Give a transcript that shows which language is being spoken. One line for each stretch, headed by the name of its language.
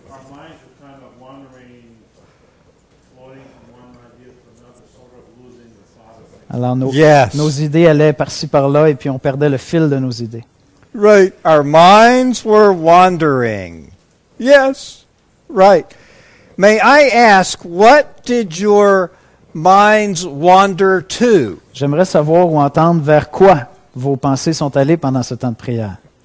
English: Our minds were kind of wandering, floating from one idea to another, sort of losing the thought of it.
French: Alors nos idées allaient par-ci par-là et puis on perdait le fil de nos idées.
English: Right, our minds were wandering. Yes, right. May I ask, what did your minds wander to?
French: J'aimerais savoir ou entendre vers quoi vos pensées sont allées pendant ce temps de prière.